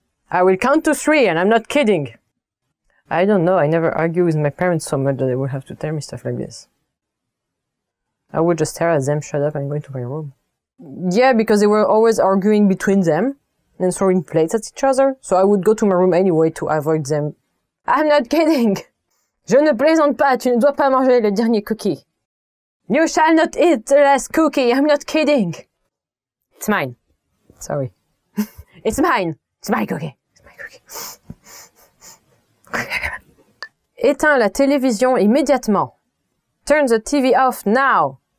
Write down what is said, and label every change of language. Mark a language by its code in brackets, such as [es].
[en] I will count to three and I'm not kidding. I don't know, I never argue with my parents so much that they would have to tell me stuff like this. I would just stare at them, shut up, and go into my room. Yeah, because they were always arguing between them and throwing plates at each other, so I would go to my room anyway to avoid them. I'm not kidding! [fr] Je ne plaisante pas, tu ne dois pas manger le dernier cookie. [en] You shall not eat the last cookie, I'm not kidding! It's mine. Sorry. It's mine! It's my cookie! It's my cookie. [fr] Éteins la télévision immédiatement. [en] Turn the TV off now.